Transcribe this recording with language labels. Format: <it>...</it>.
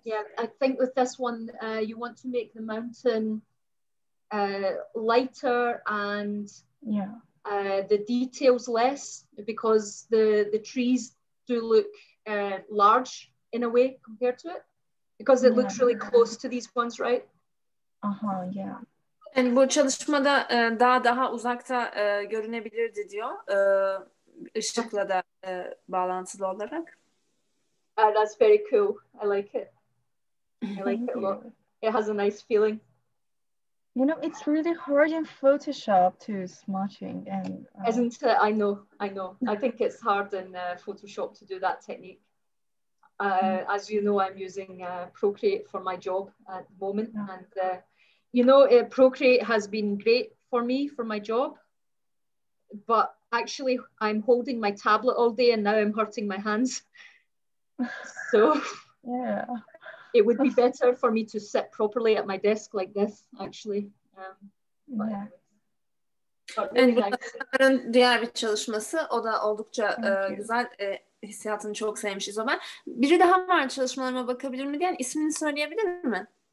<en>Yeah, I think with this one, you want to make the mountain lighter and the details less, because the trees do look large in a way compared to it, because it looks really close to these ones, right? Yeah.</en> <tr>Yani bu çalışmada daha uzakta görünebilirdi diyor, ışıkla da bağlantılı olarak.</tr> <en>That's very cool. I like it. I like it a lot. It has a nice feeling. You know, it's really hard in Photoshop to smudging, and isn't it? I know. I think it's hard in Photoshop to do that technique. As you know, I'm using Procreate for my job at the moment, and Procreate has been great for me for my job. But actually, I'm holding my tablet all day, and now I'm hurting my hands. So, yeah. It would be better for me to sit properly at my desk like this, actually.</en> <tr>Bunların diğer bir çalışması, o da oldukça güzel, hissiyatını çok sevmişiz o ben. Biri daha var çalışmalarıma bakabilir mi diyen, ismini söyleyebilir mi?</tr>